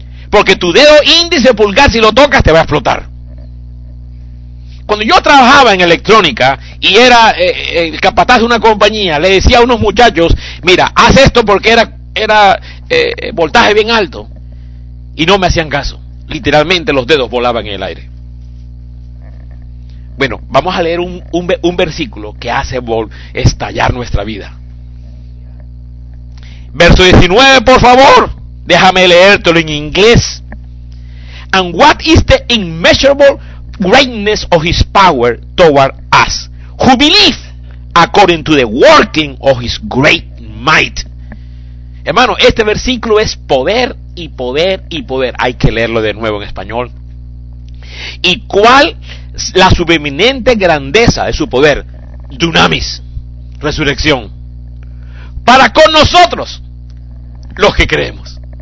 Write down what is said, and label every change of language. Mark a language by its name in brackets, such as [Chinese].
[Spanish] Porque tu dedo índice pulgar, si lo tocas, te va a explotar. Cuando yo trabajaba en electrónica y era el capataz de una compañía, le decía a unos muchachos, mira, haz esto porque era voltaje bien alto. Y no me hacían caso. Literalmente los dedos volaban en el aire. Bueno, vamos a leer un versículo que hace estallar nuestra vida. Verso 19, por favor, déjame leértelo en inglés. [English] And what is the immeasurable greatness of his power toward us, who believe according to the working of his great might. [Spanish] Hermano, este versículo es poder y poder y poder. Hay que leerlo de nuevo en español. ¿Y cuál es la subeminente grandeza de su poder? Dunamis, resurrección. Para con nosotros, los que creemos.